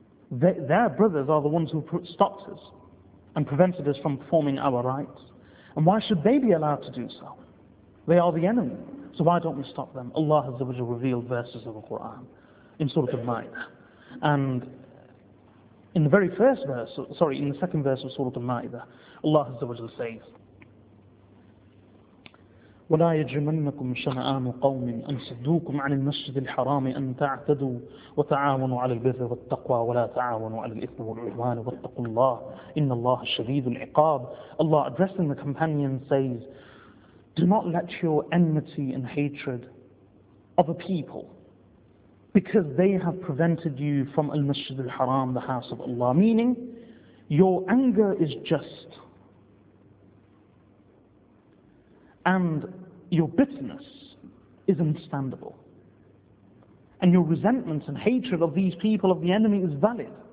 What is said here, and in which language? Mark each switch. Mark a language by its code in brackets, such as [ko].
[en] Their brothers are the ones who stopped us and prevented us from performing our rites. And why should they be allowed to do so? They are the enemy. So why don't we stop them? Allah has revealed verses of the Quran in Surah Al-Ma'idah. And in the very first verse, sorry, in the second verse of Surah Al-Ma'idah, Allah says, [ar] وَلَا يَجْرِمَنَّكُمْ شَنَآنُ قَوْمٍ أَنْ صَدُّوكُمْ عَنِ الْمَسْجِدِ الْحَرَامِ أَنْ تَعْتَدُوا وَتَعَاوَنُوا عَلَى الْبِرِّ وَالتَّقْوَى وَلَا تَعَاوَنُوا عَلَى الْإِثْمِ وَالْعُدْوَانِ وَاتَّقُوا اللَّهَ إِنَّ اللَّهَ شَدِيدُ الْعِقَابِ. [en] Allah, addressing the companion, says, do not let your enmity and hatred of a people, because they have prevented you from al-Masjid al-Haram, the house of Allah, meaning your anger is just, and your bitterness is understandable, and your resentment and hatred of these people, of the enemy, is valid.